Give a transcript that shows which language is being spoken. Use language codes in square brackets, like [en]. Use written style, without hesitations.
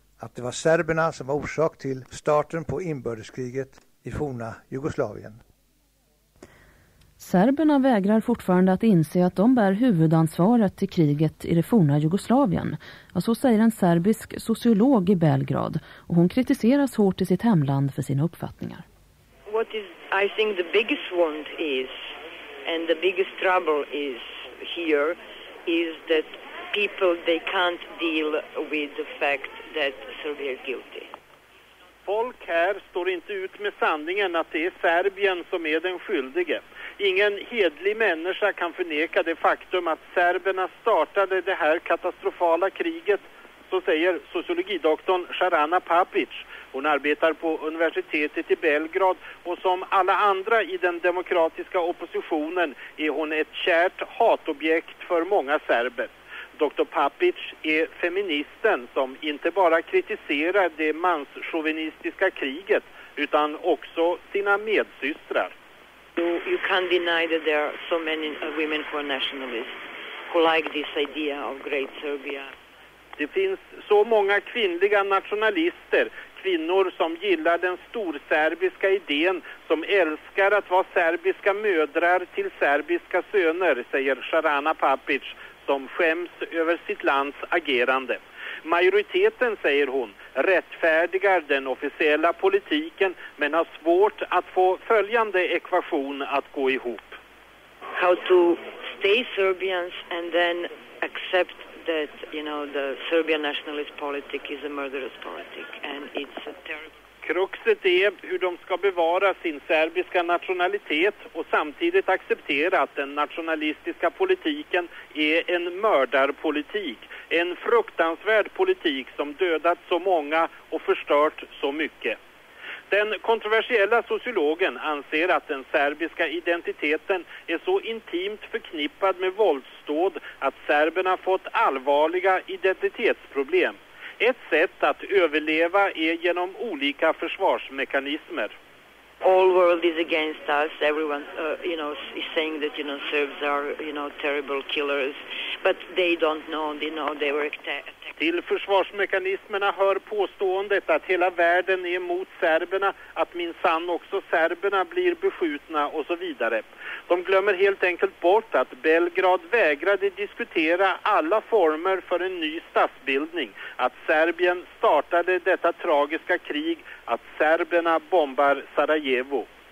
[sv] Att det var serberna som var orsak till starten på inbördeskriget i forna Jugoslavien. Serberna vägrar fortfarande att inse att de bär huvudansvaret till kriget i det forna Jugoslavien. Ja, så säger en serbisk sociolog i Belgrad och hon kritiseras hårt i sitt hemland för sina uppfattningar. [en] What is I think the biggest wound is and the biggest trouble is here is that people they can't deal with the fact that Serbia is guilty. [sv] Folk här står inte ut med sanningen att det är Serbien som är den skyldige. Ingen hedlig människa kan förneka det faktum att serberna startade det här katastrofala kriget, så säger sociologidoktorn Sharana Papic. Hon arbetar på universitetet i Belgrad och som alla andra i den demokratiska oppositionen är hon ett kärt hatobjekt för många serber. Dr. Papic är feministen som inte bara kritiserar det manschauvinistiska kriget utan också sina medsystrar. [en] You can't deny that there are so many women who are nationalists who like this idea of Great Serbia. [sv] Det finns så många kvinnliga nationalister, kvinnor som gillar den storserbiska idén, som älskar att vara serbiska mödrar till serbiska söner, säger Sharana Papic, som skäms över sitt lands agerande. Majoriteten, säger hon, rättfärdigar den officiella politiken men har svårt att få följande ekvation att gå ihop. [en] How to stay Serbians and then accept that, you know, the Serbian nationalist politic is a murderous politic and it's a terrible. [sv] Kruxet är hur de ska bevara sin serbiska nationalitet och samtidigt acceptera att den nationalistiska politiken är en mördarpolitik. En fruktansvärd politik som dödat så många och förstört så mycket. Den kontroversiella sociologen anser att den serbiska identiteten är så intimt förknippad med våldsdåd att serberna fått allvarliga identitetsproblem. Ett sätt att överleva är genom olika försvarsmekanismer. [en] All world is against us. Everyone, you know, is saying that, you know, Serbs are, you know, terrible killers, but they don't know. They know they were attacked. [sv] Till försvarsmekanismerna hör påståendet att hela världen är emot serberna, att minsann också serberna blir beskjutna och så vidare. De glömmer helt enkelt bort att Belgrad vägrade diskutera alla former för en ny statsbildning, att Serbien startade detta tragiska krig, att serberna bombar Sarajevo.